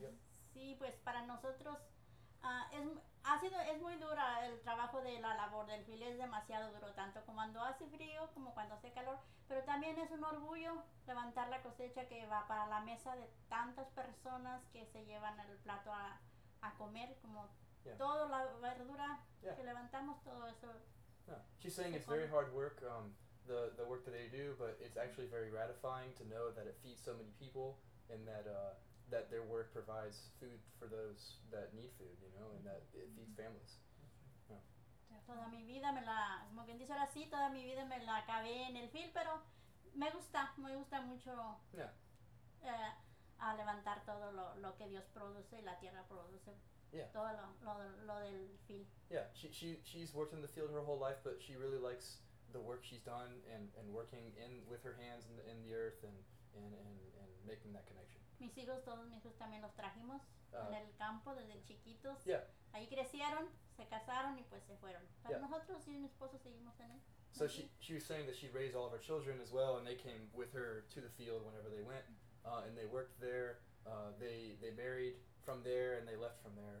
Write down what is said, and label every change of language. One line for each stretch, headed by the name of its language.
Spanish: Yep. Sí, pues para nosotros es muy dura el trabajo de la labor del filo, es demasiado duro, tanto como cuando hace frío como cuando hace calor, pero también es un orgullo levantar la cosecha que va para la mesa de tantas personas que se llevan el plato a comer, como yeah. Toda la verdura yeah. Que levantamos, todo eso. No.
English: She's saying it's very hard work, the work that they do, but it's actually very gratifying to know that it feeds so many people and that that their work provides food for those that need food, you know, and that it feeds families.
Spanish: Toda mi vida me la, como quien dice, ahora sí, toda mi vida me la acabé en el field, pero me gusta mucho a levantar todo lo que Dios produce y la tierra produce. Yeah. Todo lo del field.
English: Yeah, she's worked in the field her whole life, but she really likes the work she's done and working in with her hands in the earth and making that connection.
Spanish: Mis hijos, todos mis hijos también los trajimos en el campo desde chiquitos. Yeah. Ahí crecieron, se casaron y pues se fueron. Pero nosotros y mi esposo seguimos en él.
English: So she was saying that she raised all of her children as well, and they came with her to the field whenever they went, and they worked there. They married from there and they left from there.